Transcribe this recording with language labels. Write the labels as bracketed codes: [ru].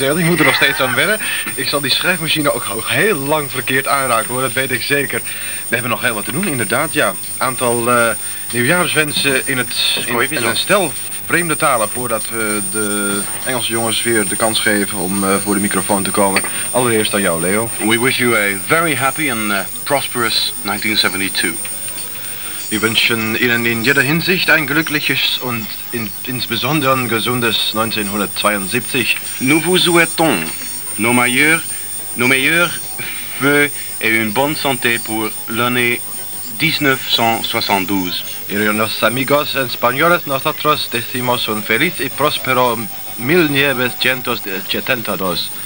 [nl] Ik moet er nog steeds aan wennen. Ik zal die schrijfmachine ook heel lang verkeerd aanraken, hoor. Dat weet ik zeker. We hebben nog heel wat te doen, inderdaad, ja. Aantal nieuwjaarswensen in het in een stel vreemde talen voordat we de Engelse jongens weer de kans geven om voor de microfoon te komen. Allereerst aan jou, Leo. [en] We wish you a very happy and prosperous 1972. [nl] We wensen [de] Ihnen in jeder Hinsicht ein glückliches und insbesondere ein gesundes 1972. [fr] Nous vous souhaitons nos meilleurs vœux et une bonne santé pour l'année 1972. [es] Y los amigos españoles, nosotros decimos un feliz y próspero 1972.